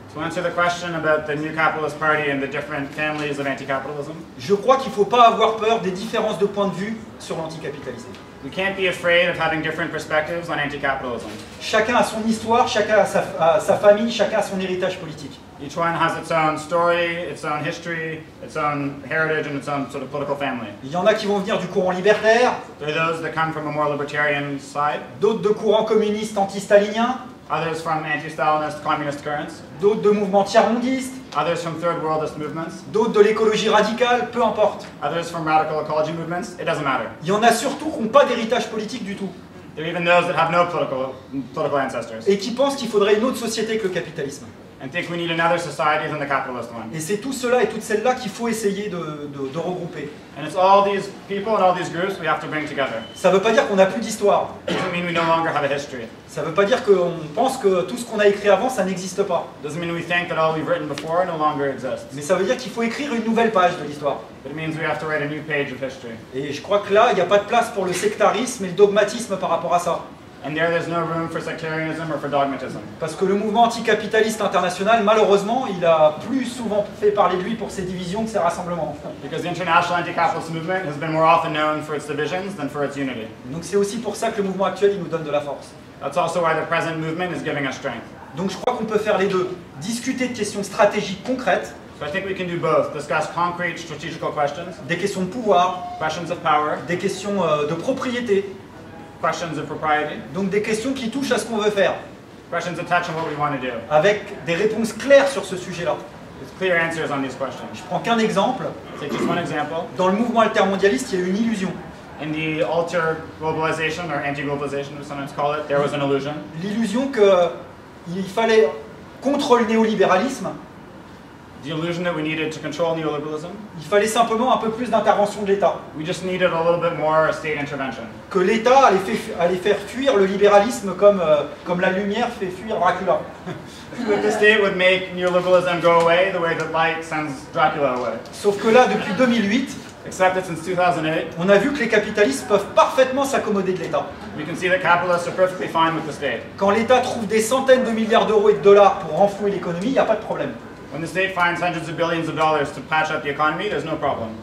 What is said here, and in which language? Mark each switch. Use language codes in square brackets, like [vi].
[fr] Je crois qu'il ne faut pas avoir peur des différences de point de vue sur l'anticapitalisme. [en] We can't be afraid of having different perspectives on anti-capitalism. [fr] Chacun a son histoire, chacun a sa famille, chacun a son héritage politique. [en] Each one has its own story, its own history, its own heritage, and its own sort of political family. [fr] Il y en a qui vont venir du courant libertaire. [en] There are those that come from a more libertarian side. [fr] D'autres de courants communistes anti-staliniens. [en] Others from anti-Stalinist communist currents. [fr] D'autres de mouvements tiers-mondistes. [en] Others from third worldist movements. [fr] D'autres de l'écologie radicale, peu importe. [en] Others from radical ecology movements, it doesn't matter. [fr] Il y en a surtout qui n'ont pas d'héritage politique du tout. [en] There are even those that have no political ancestors. [fr] Et qui pensent qu'il faudrait une autre société que le capitalisme. [en] And think we need another society than the capitalist one. [fr] Et c'est tout cela et toutes celles-là qu'il faut essayer de regrouper. [en] And it's all these people and all these groups we have to bring together. [fr] Ça ne veut pas dire qu'on n'a plus d'histoire. [en] It doesn't mean we no longer have a history. [fr] Ça ne veut pas dire qu'on pense que tout ce qu'on a écrit avant, ça n'existe pas. [en] It doesn't mean we think that all we've written before no longer exists. [fr] Mais ça veut dire qu'il faut écrire une nouvelle page de l'histoire. [en] It means we have to write a new page of history. [fr] Et je crois que là, il n'y a pas de place pour le sectarisme et le dogmatisme par rapport à ça. [en] And there, there's no room for sectarianism or for dogmatism. [fr] Parce que le mouvement anticapitaliste international, malheureusement, il a plus souvent fait parler de lui pour ses divisions que ses rassemblements. [en] Because the international anti-capitalist movement has been more often known for its divisions than for its unity. [fr] Donc c'est aussi pour ça que le mouvement actuel, il nous donne de la force. [en] That's also why the present movement is giving us strength. [fr] Donc je crois qu'on peut faire les deux. Discuter de questions stratégiques concrètes. [en] So I think we can do both. Discuss concrete strategical questions. [fr] Des questions de pouvoir. [en] Questions of power. [fr] Des questions de propriété. [en] Questions of propriety. [fr] Donc des questions qui touchent à ce qu'on veut faire. [en] Questions attached to what we want to do. [fr] Avec des réponses claires sur ce sujet-là. [en] With clear answers on these questions. [fr] Je prends qu'un exemple. [en] Take just one example. [fr] Dans le mouvement altermondialiste, il y a eu une illusion. [en] In the alter-globalization or anti-globalization, we sometimes call it, there was an illusion. [fr] L'illusion qu'il fallait contre le néolibéralisme. [en] The illusion that we needed to control neoliberalism. [fr] Il fallait simplement un peu plus d'intervention de l'État. [en] We just needed a little bit more state intervention. [fr] Que l'État allait faire fuir le libéralisme comme la lumière fait fuir Dracula. [en] That the state would make neoliberalism go away the way that light sends Dracula away. [fr] Sauf que là, depuis 2008, [en] except that since 2008, [fr] on a vu que les capitalistes peuvent parfaitement s'accommoder de l'État. [en] We can see that capitalists are perfectly fine with the state. [fr] Quand l'État trouve des centaines de milliards d'euros et de dollars pour renflouer l'économie, il n'y a pas de problème. [en] When the state finds hundreds of billions of dollars to patch up the economy, there's no problem.